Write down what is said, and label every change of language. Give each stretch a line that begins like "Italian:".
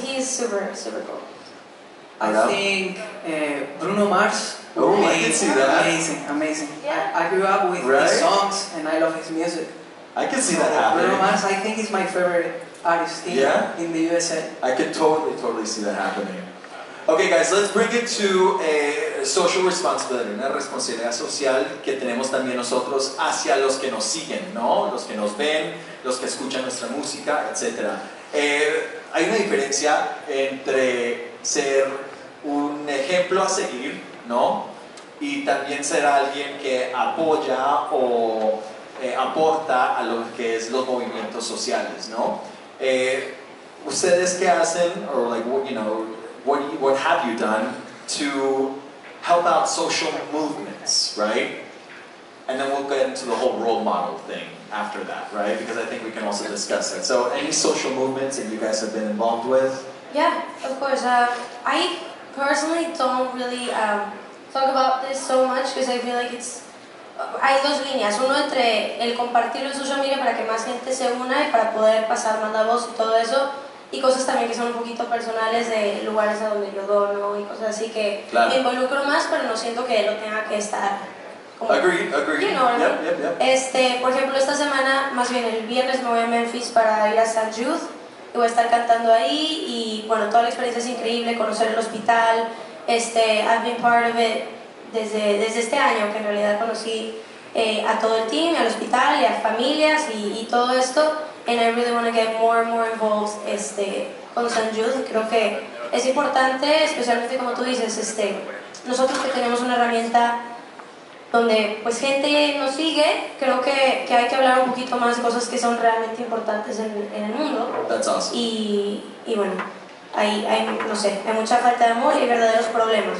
English: he's super, super cool. I think Bruno Mars. Oh, I can see that. Amazing, amazing. Yeah. I grew up with right? his songs and I love his music. I can see that happening. Bruno Mars, I think he's my favorite artist in the USA. I can totally see that happening.
Spanish: Okay, guys, let's bring it to a social responsibility, una responsabilidad social que tenemos también nosotros hacia los que nos siguen, ¿no? Los que nos ven, los que escuchan nuestra música, etc. Hay una diferencia entre ser un ejemplo a seguir, ¿no? Y también ser alguien que apoya o aporta a lo que es los movimientos sociales, ¿no? ¿Ustedes qué hacen?
English: Or like, you know, what have you done to help out social movements, right? And then we'll get into the whole role model thing after that, right? Because I think we can also discuss it. So any social movements that you guys have been involved with? Yeah, of course. I personally don't really talk about this so much because I feel like it's...
Spanish: Hay dos líneas. Uno entre el compartirlo en social media para que más gente se una y para poder pasar manda voz y todo eso. Y cosas también que son un poquito personales de lugares a donde yo dono y cosas así que claro. me involucro más, pero no siento que lo tenga que estar. Como,
English: agreed. You know, yep, yep, yep.
Spanish: Por ejemplo, esta semana, más bien el viernes, me voy a Memphis para ir a St. Jude. Y voy a estar cantando ahí y, bueno, toda la experiencia es increíble, conocer el hospital. I've been part of it desde este año, que en realidad conocí a todo el team, al hospital y a familias y todo esto.
English: And I really want to get more and more involved con St. Jude.
Spanish: Creo que es importante, especialmente como tú dices, nosotros que tenemos una herramienta donde pues gente nos sigue, creo que hay que hablar un poquito más de cosas que son realmente importantes en el mundo.
English: That's awesome.
Spanish: Y bueno, hay mucha falta de amor y hay verdaderos problemas.